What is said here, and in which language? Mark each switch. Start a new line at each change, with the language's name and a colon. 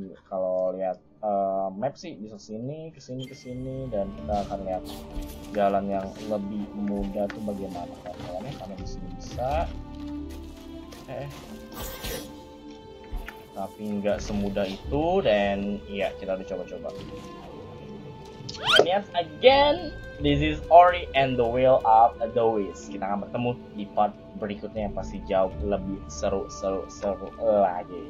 Indonesian: Kalau lihat map sih, bisa kesini. Dan kita akan lihat jalan yang lebih mudah tuh bagaimana. Jalannya karena di sini bisa. Tapi nggak semudah itu, dan ya kita udah coba.
English: Yes, again, this is Ori and the Will of the Wisps.
Indonesian: Kita akan bertemu di part berikutnya yang pasti jauh lebih seru lagi.